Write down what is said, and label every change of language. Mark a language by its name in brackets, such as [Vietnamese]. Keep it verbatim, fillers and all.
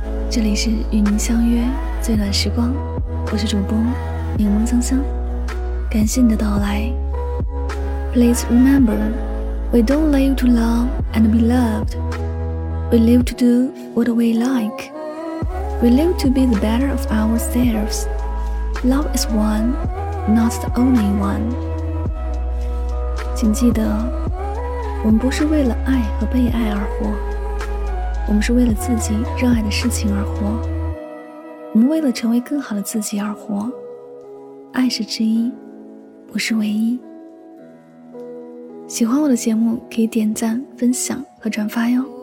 [Chinese] 这里是与您相约最暖时光，我是主播柠檬香香，感谢你的到来。 [English] Please remember, we don't live to love and be loved. We live to do what we like. We live to be the better of ourselves. Love is one, not the only one. [Chinese] 请记得，我们不是为了爱和被爱而活，我们是为了自己热爱的事情而活，我们为了成为更好的自己而活。爱是之一，不是唯一。喜欢我的节目可以点赞、分享和转发哟。